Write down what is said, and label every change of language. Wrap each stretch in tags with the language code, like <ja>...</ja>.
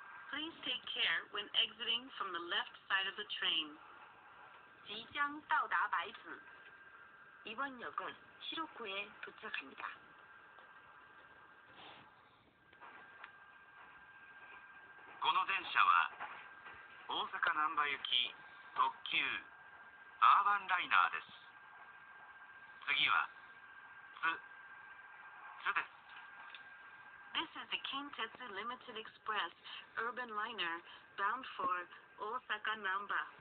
<en>Please take care when exiting from the left side of the train.</en> <zh>即将到达白子。</zh> <ko>이번역은시로코에도착합니다。</ko> <ja>この電車は大阪難波行き特急アーバンライナーです。次は津です。</ja> <en>This is the Kintetsu Limited Express Urban Liner bound for 大阪難波。</en>